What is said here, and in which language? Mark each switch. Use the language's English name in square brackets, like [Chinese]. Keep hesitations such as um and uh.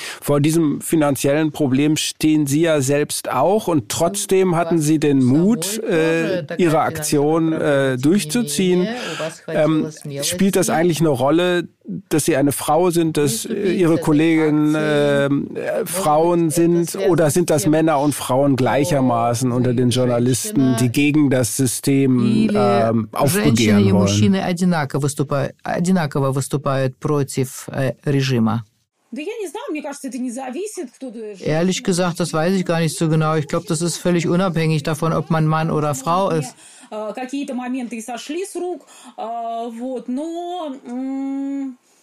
[German] Vor diesem finanziellen Problem stehen Sie ja selbst auch und trotzdem hatten Sie den Mut, äh, Ihre Aktion äh, durchzuziehen. Ähm, spielt das eigentlich eine Rolle, dass Sie eine Frau sind, dass Ihre Kolleginnen äh, Frauen sind oder sind das Männer und Frauen gleichermaßen unter den Journalisten, die gegen das System äh, [Russian] Женщины и [German] aufbegehren wollen? [Russian] мужчины одинаково выступают, одинаково выступают против э, режима. Да я не знаю, мне кажется, это не зависит, кто ты [German] Ehrlich gesagt, das weiß ich gar nicht so genau. Ich glaube, das ist völlig unabhängig davon, ob man Mann oder Frau ist. [Russian] Э, Какие-то моменты и сошли с рук, э, вот, но... м,